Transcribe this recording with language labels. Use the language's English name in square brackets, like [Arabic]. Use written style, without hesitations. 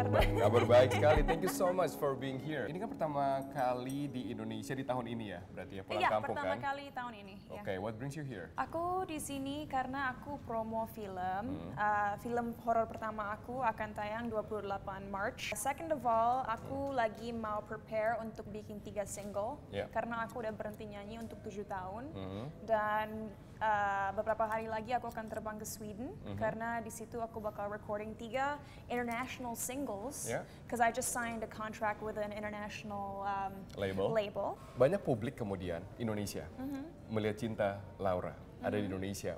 [Indonesian] Kabar baik sekali, [English] thank you so much for being here. [Indonesian] Ini kan pertama kali di Indonesia di tahun ini ya, berarti ya pulang kampung kan? Iya, pertama kali tahun ini. [English] Okay, what brings you here? [Indonesian] Aku di sini karena aku promo film. Film horor pertama aku akan tayang 28 March. [English] Second of all, [Indonesian] aku lagi mau prepare untuk bikin 3 single. Yeah. Karena aku udah berhenti nyanyi untuk 7 tahun. Dan beberapa hari lagi aku akan terbang ke Sweden. Karena di situ aku bakal [English] recording 3 international singles. Because I just signed a contract with an international label. [Indonesian] Banyak publik kemudian Indonesia melihat Cinta Laura ada di Indonesia.